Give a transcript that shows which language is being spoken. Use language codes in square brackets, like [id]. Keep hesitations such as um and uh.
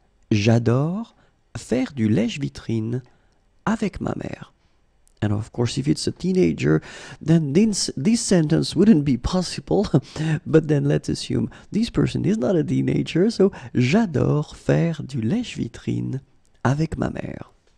[fr] J'adore faire du lèche-vitrine avec ma mère. [en] And of course, if it's a teenager, then this, this sentence wouldn't be possible. But then let's assume this person is not a teenager. [fr] So, j'adore faire du lèche-vitrine avec ma mère.